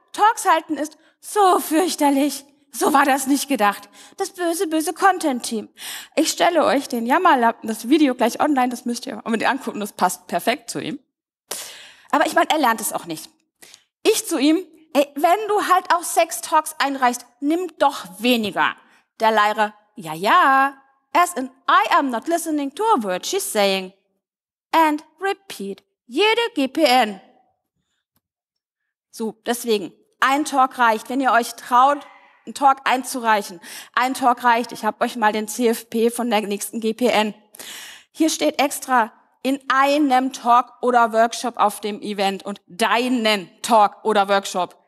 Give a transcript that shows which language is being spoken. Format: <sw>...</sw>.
<de>Talks halten ist so fürchterlich. So war das nicht gedacht. Das böse, böse Content-Team. Ich stelle euch den Jammerlappen, das Video gleich online, das müsst ihr unbedingt angucken, das passt perfekt zu ihm. Aber ich meine, er lernt es auch nicht. Ich zu ihm, ey, wenn du halt auch 6 Talks einreichst, nimm doch weniger. Der Lehrer, ja, ja,</de> <en>as in I am not listening to a word she's saying. And repeat,</en> <de>jede GPN. So, deswegen, ein Talk reicht, wenn ihr euch traut, einen Talk einzureichen. Ein Talk reicht, ich habe euch mal den CFP von der nächsten GPN. Hier steht extra, in einem Talk oder Workshop auf dem Event und deinen Talk oder Workshop.</de>